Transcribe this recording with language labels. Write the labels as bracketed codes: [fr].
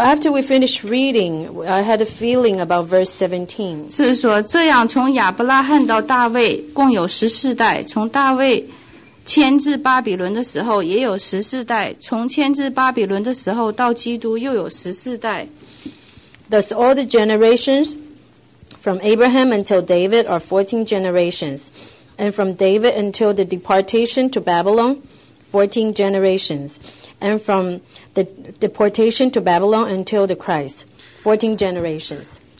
[en] after we finished reading, I had a feeling about verse 17. [zh] 是说这样，从亚伯拉罕到大卫，共有十四代，从大卫。迁至巴比伦的时候也有十四代，从迁至巴比伦的时候到基督又有十四代。 [en] Thus all the generations from Abraham until David are 14 generations, and from David until the deportation to Babylon, 14 generations, and from the deportation to Babylon until the Christ, 14 generations.